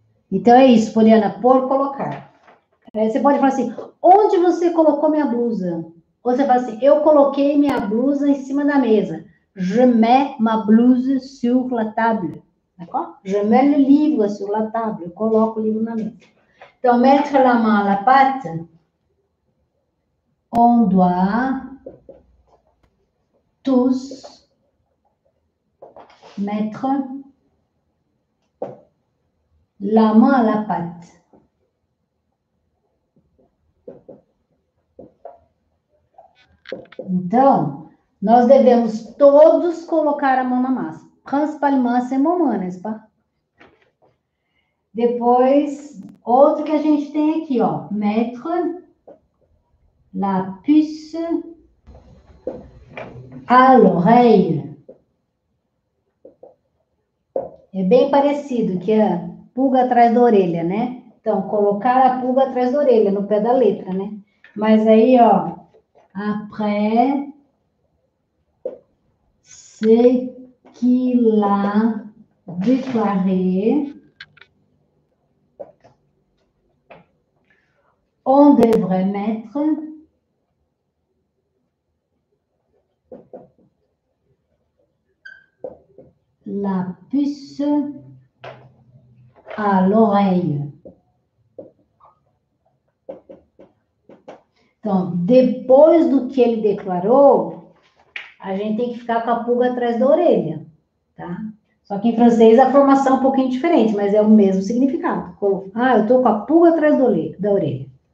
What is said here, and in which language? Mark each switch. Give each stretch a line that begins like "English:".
Portuguese: Então é isso, Poliana, por colocar. Você pode falar assim, onde você colocou minha blusa? Ou você fala assim, eu coloquei minha blusa em cima da mesa.
French: Je mets ma blouse sur la table. D'accord? Je mets le livre sur la table.
Portuguese: Eu coloco o livro na mesa.
French: Então, mettre la main à la pâte, on doit tous mettre la main à la pâte.
Portuguese: Então, nós devemos todos colocar a mão na massa.
French: Principalement, c'est maman, n'est-ce pas?
Portuguese: Depois, outro que a gente tem aqui, ó.
French: Mettre la puce à l'oreille.
Portuguese: É bem parecido, que é pulga atrás da orelha, né? Então, colocar a pulga atrás da orelha, no pé da letra, né? Mas aí, ó.
French: Après ce qu'il a déclaré. On devrait mettre la puce à l'oreille.
Portuguese: Então, depois do que ele declarou, a gente tem que ficar com a pulga atrás da orelha, tá? Só que em francês a formação é um pouquinho diferente, mas é o mesmo significado. Ah, eu tô com a pulga atrás da orelha.